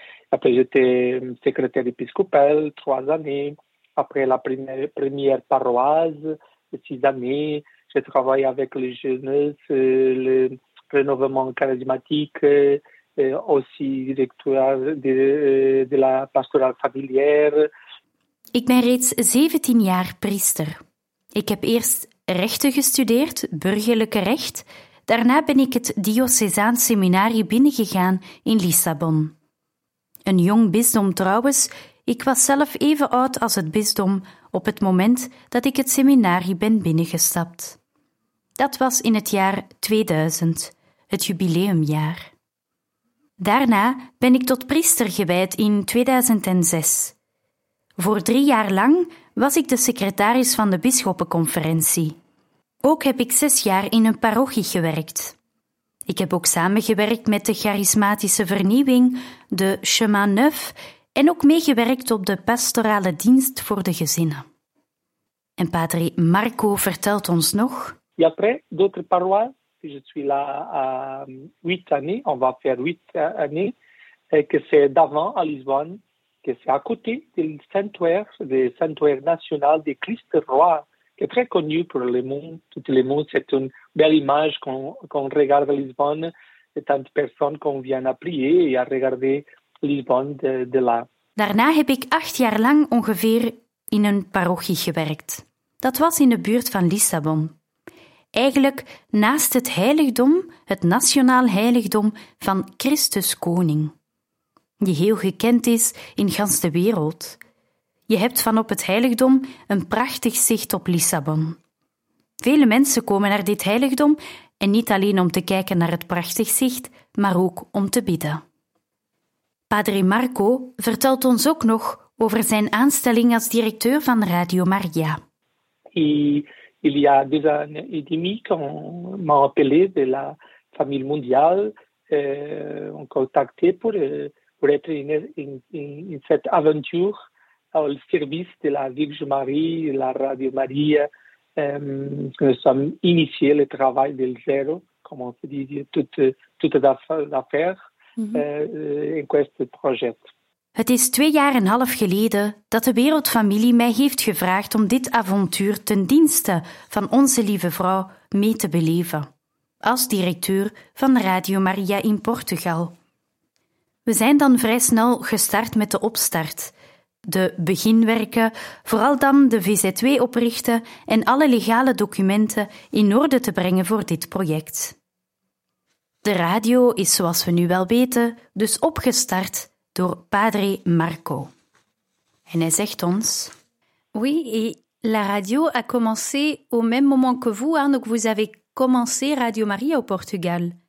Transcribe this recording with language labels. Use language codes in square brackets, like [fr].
[fr] Après, j'étais secrétaire épiscopal 3 années. Après, la première paroisse, 6 années. J'ai travaillé avec les jeunes, le renouvellement charismatique, aussi directeur de la pastorale familière. [nl] Ik ben reeds 17 jaar priester. Ik heb eerst rechten gestudeerd, burgerlijke recht. Daarna ben ik het diocesaan seminarie binnengegaan in Lissabon. Een jong bisdom trouwens, ik was zelf even oud als het bisdom op het moment dat ik het seminarie ben binnengestapt. Dat was in het jaar 2000, het jubileumjaar. Daarna ben ik tot priester gewijd in 2006. Voor 3 jaar lang was ik de secretaris van de bisschoppenconferentie. Ook heb ik 6 jaar in een parochie gewerkt. Ik heb ook samengewerkt met de charismatische vernieuwing, de Chemin Neuf, en ook meegewerkt op de pastorale dienst voor de gezinnen. En padre Marco vertelt ons nog. [fr] Et après, d'autres paroisses, je suis là à 8 années, on va faire 8 années, que c'est d'avant à Lisbonne, que c'est à côté du sanctuaire national de Christ Roi, qui est très connu pour le monde, tout le monde. C'est une belle image qu'on regarde à Lisbonne, de tant de personnes qu'on vient à prier et à regarder Lisbonne de là. [nl] Daarna heb ik 8 jaar lang ongeveer in een parochie gewerkt. Dat was in de buurt van Lissabon. Eigenlijk naast het heiligdom, het nationaal heiligdom van Christus Koning, die heel gekend is in gans de wereld. Je hebt van op het heiligdom een prachtig zicht op Lissabon. Vele mensen komen naar dit heiligdom en niet alleen om te kijken naar het prachtig zicht, maar ook om te bidden. Padre Marco vertelt ons ook nog over zijn aanstelling als directeur van Radio Maria. [fr] Il y a 2 ans et demi qu'on m'a appelé de la famille mondiale, on contacté pour pour être in cette aventure au service de la Vierge Marie, la Radio Maria. Nous sommes initiés le travail de zéro, comme on se dit, toute d'affaires [it] in questo progetto. [nl] Het is 2,5 jaar geleden dat de Wereldfamilie mij heeft gevraagd om dit avontuur ten dienste van Onze Lieve Vrouw mee te beleven, als directeur van Radio Maria in Portugal. We zijn dan vrij snel gestart met de opstart, de beginwerken, vooral dan de VZW oprichten en alle legale documenten in orde te brengen voor dit project. De radio is, zoals we nu wel weten, dus opgestart door Padre Marco. En hij zegt ons: [fr] Oui, et la radio a commencé au même moment que vous, hein, donc vous avez commencé Radio Maria au Portugal.